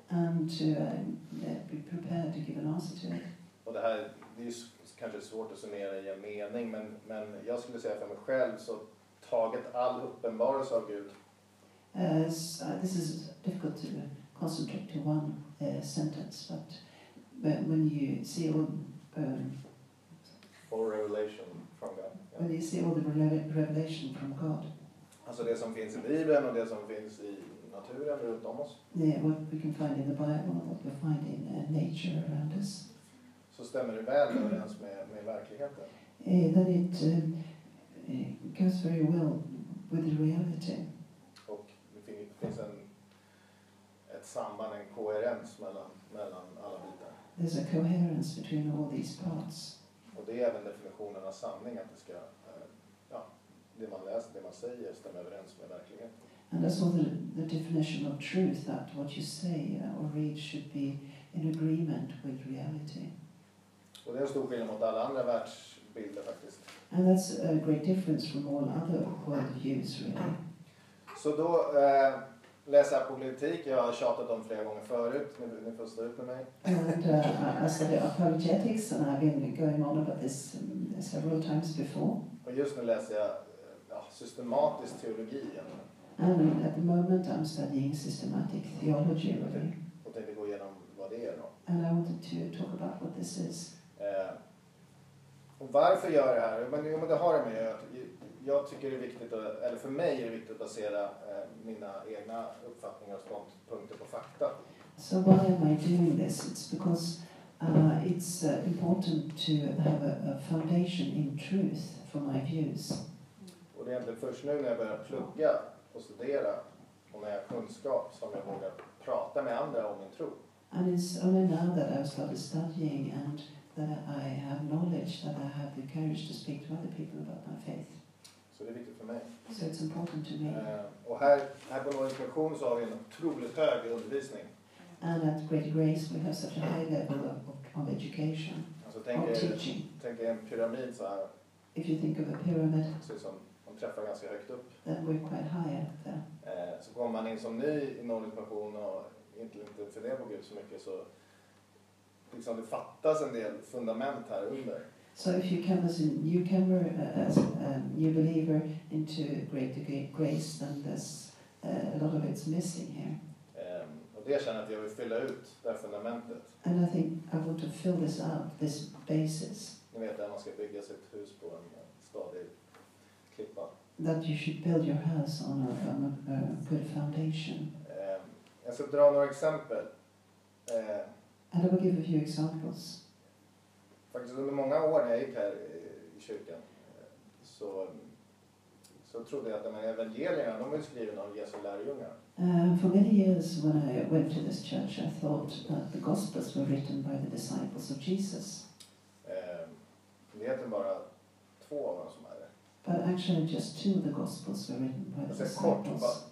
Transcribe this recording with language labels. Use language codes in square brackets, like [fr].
[en] And to be prepared to give an answer to it. [sv] Och det här, det är kanske svårt att summera i en mening, men jag skulle säga för mig själv så taget all uppenbarelse av Gud. [en] This is difficult to concentrate to one sentence, but when you see all revelation from God. Yeah. When you see all the revelation from God. [sv] Alltså det som finns i Bibeln och det som finns i naturen runt om oss. [en] Yeah, what we can find in the Bible and what we find in nature around us. [sv] Så stämmer det väl överens med verkligheten. [en] Then it goes very well with the reality. [sv] Och det finns ett samband, en koherens mellan alla bitar. [en] There's a coherence between all these parts. [sv] Och det är även definitionen av sanning, att det ska det man läser, det man säger, stämmer överens med verkligheten. [en] And that's all the definition of truth, that what you say or read should be in agreement with reality. [sv] Och det är en stor skillnad mot alla andra världsbilder faktiskt. [en] And that's a great difference from all other worldviews, really. [sv] Så då läser jag apologetik. Jag har tjatat om flera gånger förut. Ni får stå ut med mig. [en] And I studied apologetics and I've been going on about this several times before. [sv] Och just nu läser jag systematisk teologi igen. [en] And at the moment I'm studying systematic theology, really. [sv] Och tänkte gå igenom vad det är då. [en] And I wanted to talk about what this is. [sv] Och varför gör det här? Men det har det med att jag tycker det är viktigt, eller för mig är det viktigt att basera mina egna uppfattningar och ståndpunkter på fakta. [en] So why am I doing this? It's because it's important to have a foundation in truth for my views. [sv] Och det är egentligen först nu när jag börjar plugga och studera och när jag har kunskap som jag vågar prata med andra om min tro. [en] And it's only now that I've started studying and that I have knowledge that I have the courage to speak to other people about my faith. [sv] Så det är viktigt för mig. [en] So it's important to me. [sv] Och här på Nordisk Mission så har vi en otroligt hög undervisning. [en] And at Great Grace we have such a high level of education. [sv] Alltså tänk er en pyramid så här. [en] If you think of a pyramid. [sv] Så som De träffar ganska högt upp. [en] We're quite high up there. [sv] Så kommer man in som ny i nordisk pension och inte funderar på Gud så mycket, så liksom det fattas en del fundament här under. [en] So if you come as a newcomer, as a new believer into great grace, then there's a lot of it's missing here. [sv] Och det känner jag att jag vill fylla ut det fundamentet. [en] And I think I want to fill this out, this basis. [sv] Ni vet att man ska bygga sitt hus på en stadig klippa. [en] That you should build your house on a good foundation. [sv] Jag ska dra några exempel. [en] And I will give a few examples. [sv] Faktiskt under många år när jag gick här i kyrkan så trodde jag att de här evangelierna, de var skrivna av Jesu lärjungar. [en] For many years when I went to this church I thought that the gospels were written by the disciples of Jesus. [sv] Det heter bara två av dem som är det. [en] But actually just two of the gospels were written by the disciples.